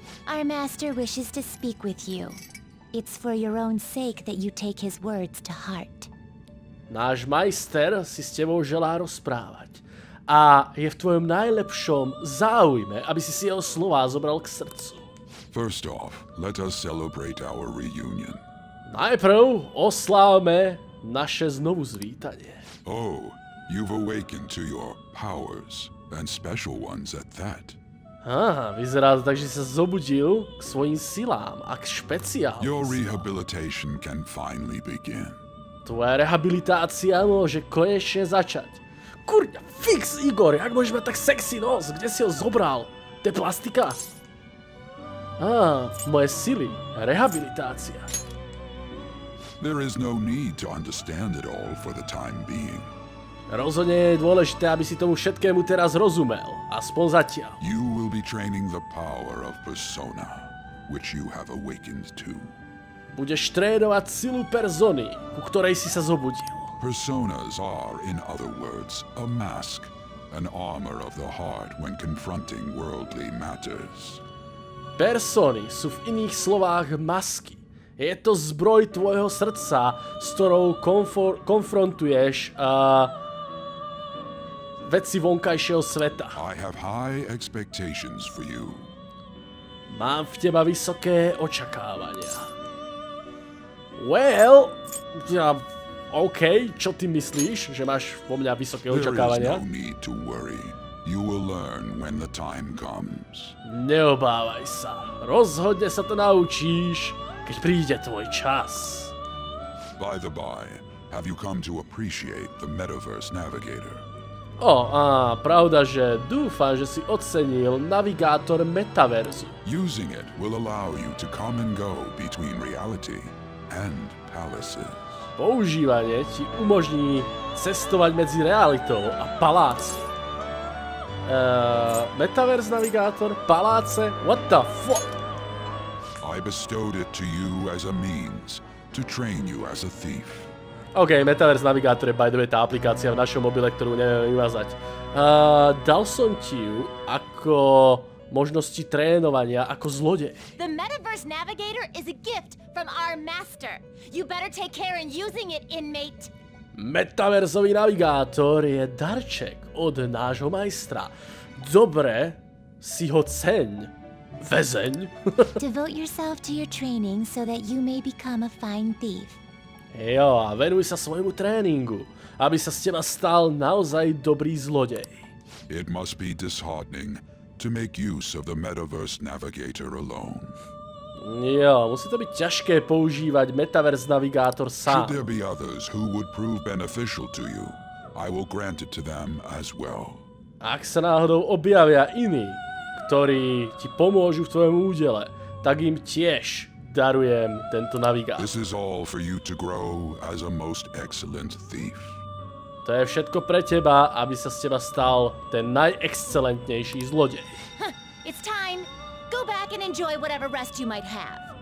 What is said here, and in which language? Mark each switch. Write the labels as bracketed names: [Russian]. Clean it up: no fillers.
[English] Our master wishes to speak with you. It's for your own sake that you take his words to heart. [Slovak] Náš majster si s tebou želá rozprávať. A je v tvojom najlepšom záujme, aby si si jeho slova zobral k srdcu. [English] First off, let us celebrate our reunion. [Slovak] Najprv oslávme naše znovu zvítanie. [English] Oh, you've awakened to your powers and special ones at that. [Slovak] Vyzerá to tak, že sa zobudil k svojim silám a k špeciálnym. [English] Your rehabilitation can finally begin. [Slovak] Tvoja rehabilitácia môže konečne začať. Kurňa, fix, Igor, jak môžeš mať tak sexy nos? Kde si ho zobral? To je plastika. Moje sily, rehabilitácia. [English] There is no need to understand it all for the time being. [Slovak] Rozhodne je dôležité, aby si tomu všetkému teraz rozumel. Aspoň zatiaľ. [English] You will be training the power of persona, which you have awakened to. [Slovak] Budeš trénovať silu persony, ku ktorej si sa zobudil. [English] Personas are, in other words, a mask, an armor of the heart when confronting worldly matters. [Slovak] Persony sú v iných slovách masky. Je to zbroj tvojho srdca, s ktorou konfrontuješ veci vonkajšieho sveta. [English] I have high expectations for you. [Slovak] Mám v teba vysoké očakávania. Well, ja, OK, čo ty myslíš, že máš vo mňa vysoké očakávania? [English] There is no need to worry. You will learn when the time comes. [Slovak] Neobávaj sa. Rozhodne sa to naučíš, keď príde tvoj čas. [English] By the by, have you come to appreciate the Metaverse Navigator? [Slovak] Pravda, že dúfam, že si ocenil navigátor Metaverzu. [English] Using it will allow you to come and go between reality and palaces. [Slovak] Používanie ti umožní cestovať medzi realitou a paláci. Metaverse navigátor, paláce, [English] what the fuck? I bestowed it to you as a means to train you as a thief. [Slovak] OK, Metaverse navigátor je [English] by the way [Slovak] tá aplikácia v našom mobile, ktorú neviem vymazať. Dal som ti ju ako možnosti trénovania ako zlodej. [English] The Metaverse Navigator is a gift from our master. You better take care in using it, inmate. [Slovak] Metaverzový navigátor je darček od nášho majstra. Dobre si ho ceň, väzeň. [English] Devote yourself to your training so that you may become a fine thief. [Slovak] Jo, a venuj sa svojmu tréningu, aby sa z teba stal naozaj dobrý zlodej. [English] It must be disheartening to make use of the Metaverse Navigator alone. [Slovak] Jo, musí to byť ťažké používať Metaverse Navigátor sám. [English] Should there be others who would prove beneficial to you, I will grant it to them as well. [Slovak] Ak sa náhodou objavia iní, ktorí ti pomôžu v tvojom údele, tak im tiež darujem tento navigátor. [English] This is all for you to grow as a most excellent thief. [Slovak] To je všetko pre teba, aby sa z teba stal ten najexcelentnejší zlodej. [English] It's time. Go back and enjoy whatever rest you might have.